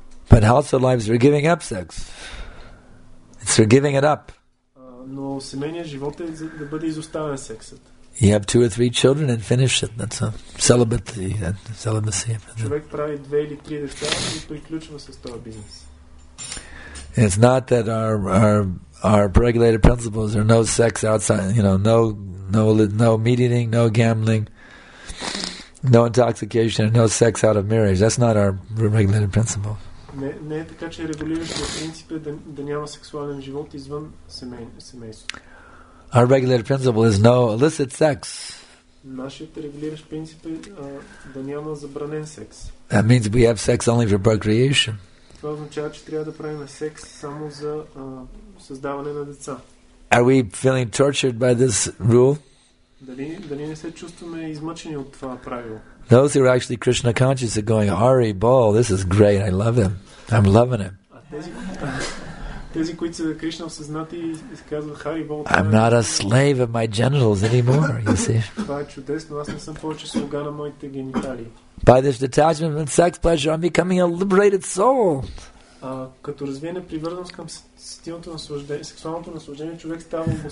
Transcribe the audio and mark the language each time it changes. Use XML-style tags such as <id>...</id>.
<en>But household lives are giving up sex. It's for giving it up. You have two or three children and finish it. That's a celibacy.</en> <bg>Човек прави две или три деца и приключва с този бизнес.</bg> <en>It's not that our regulated principles are no sex outside, you know, no meat eating, no gambling, no intoxication, and no sex out of marriage. That's not our regulated principle.</en> <bg>Не е така, че регулиращия принцип е да няма сексуален живот извън семейството.</bg> <en>Our regulated principle is no illicit sex.</en> <bg>Нашият регулиращ принцип е да няма забранен секс.</bg> <en>That means we have sex only for procreation.</en> <bg>Това означава, че трябва да правим секс само за създаване на деца.</bg> <en>Are we feeling tortured by this rule?</en> <bg>Дали не се чувстваме измъчени от това правило?</bg> <en>Those who are actually Krishna conscious are going, Hari Bol, this is great, I love him. I'm loving him.</en> <bg>Тези, които са Кришна осъзнати, казват Hari Bol.</bg> <en>I'm not a slave of my genitals anymore, you see.</en> <bg>Това е чудесно, аз не съм повече слуга на моите гениталии.</bg> <en>By this detachment from sex pleasure, I'm becoming a liberated soul.</en> <bg>Като развие непривързаност към стилното наслаждение, сексуалното наслаждение, човек става</bg>